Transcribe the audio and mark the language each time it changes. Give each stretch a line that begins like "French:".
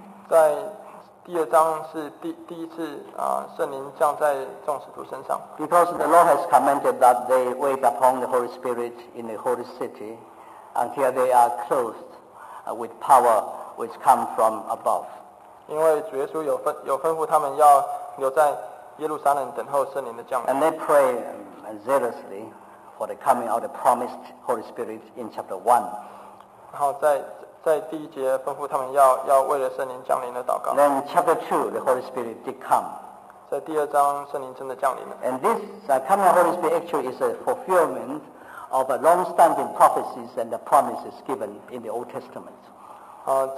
Chinese: 在第二章是第一次啊，圣灵降在众使徒身上。
English: Because the Lord has commanded that they wait upon the Holy Spirit in the holy city until they are clothed with power. Which come from above.
Chinese: 因为主耶稣有吩咐他们要留在耶路撒冷等候圣灵的降临。
English: And they pray zealously for the coming of the promised Holy Spirit in chapter 1.
Chinese: 然后在第一节吩咐他们要为了圣灵降临的祷告。
English: Then chapter 2, the Holy Spirit did come.
Chinese: 在第二章圣灵真的降临了。
English: And this coming of the Holy Spirit actually is a fulfillment of a long-standing prophecies and the promises given in the Old Testament.